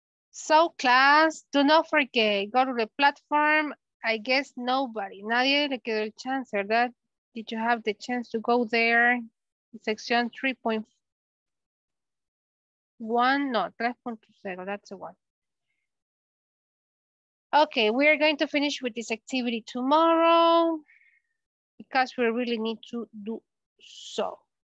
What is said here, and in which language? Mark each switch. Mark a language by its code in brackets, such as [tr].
[en] So class, do not forget, go to the platform. I guess nobody, [es] nadie le quedó el chance, ¿verdad? [en] Did you have the chance to go there? Section 3.1, no, 3.0, that's the one. Okay, we are going to finish with this activity tomorrow because we really need to do so.